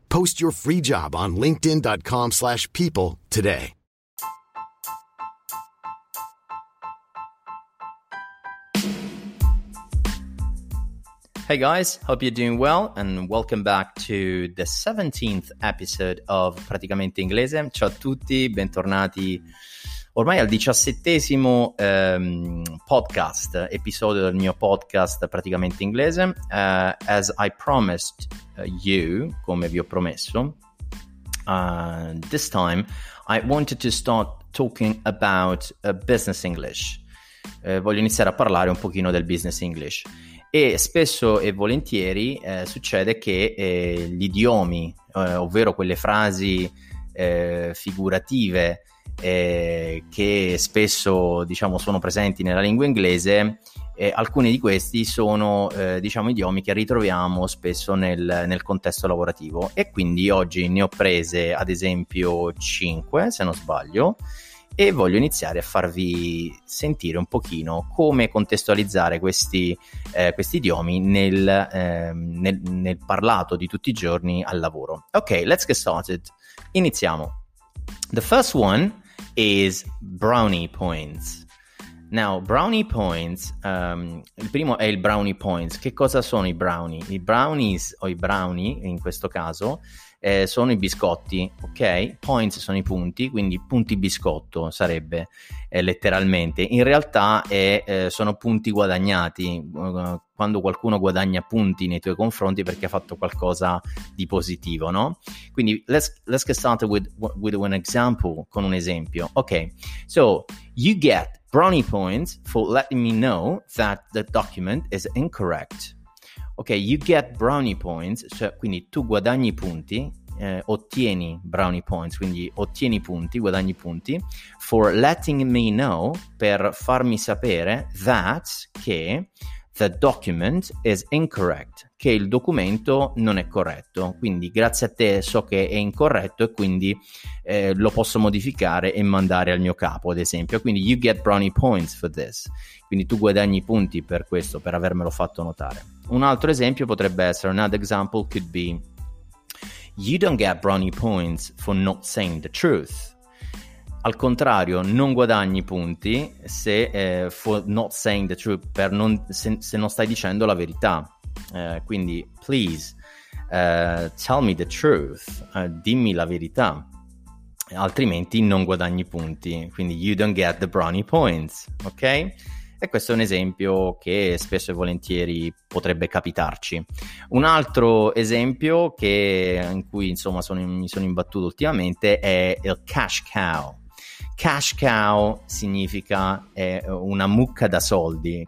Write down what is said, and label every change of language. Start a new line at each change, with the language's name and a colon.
English: Post your free job on linkedin.com/people today. Hey guys, hope you're doing well and welcome back to the 17th episode of Praticamente Inglese.
Italian: Ciao a tutti, bentornati ormai al 17esimo podcast, episodio del mio podcast Praticamente Inglese.
English: As I promised you,
Italian: come vi ho promesso,
English: this time I wanted to start talking about business English.
Italian: Voglio iniziare a parlare un pochino del business English. E spesso e volentieri succede che gli idiomi, ovvero quelle frasi figurative che spesso diciamo sono presenti nella lingua inglese, alcuni di questi sono diciamo idiomi che ritroviamo spesso nel contesto lavorativo, e quindi oggi ne ho prese ad esempio 5, se non sbaglio, e voglio iniziare a farvi sentire un pochino come contestualizzare questi idiomi nel parlato di tutti i giorni al lavoro.
English: Ok, let's get started.
Italian: Iniziamo.
English: The first one is brownie points.
Italian: Now, brownie points, il primo è il brownie points. Che cosa sono i brownie? I brownies o i brownie, in questo caso, sono i biscotti, ok? Points sono i punti, quindi punti biscotto sarebbe letteralmente. In realtà sono punti guadagnati, quando qualcuno guadagna punti nei tuoi confronti perché ha fatto qualcosa di positivo, no? Quindi
English: let's get started with an example,
Italian: con un esempio.
English: Ok, so you get brownie points for letting me know that the document is incorrect.
Italian: Ok,
English: you get brownie points,
Italian: cioè quindi tu guadagni punti, ottieni brownie points, quindi ottieni punti, guadagni punti,
English: for letting me know,
Italian: per farmi sapere, that, che
English: the document is incorrect,
Italian: che il documento non è corretto, quindi grazie a te so che è incorretto e quindi lo posso modificare e mandare al mio capo, ad esempio. Quindi
English: you get brownie points for this,
Italian: quindi tu guadagni punti per questo, per avermelo fatto notare. Un altro esempio potrebbe essere,
English: another example could be, you don't get brownie points for not saying the truth.
Italian: Al contrario, non guadagni punti se
English: for not saying the truth,
Italian: se non stai dicendo la verità. Quindi,
English: please, tell me the truth,
Italian: dimmi la verità, altrimenti non guadagni punti. Quindi,
English: you don't get the brownie points,
Italian: ok? E questo è un esempio che spesso e volentieri potrebbe capitarci. Un altro esempio mi sono imbattuto ultimamente è il cash cow. Cash cow significa una mucca da soldi.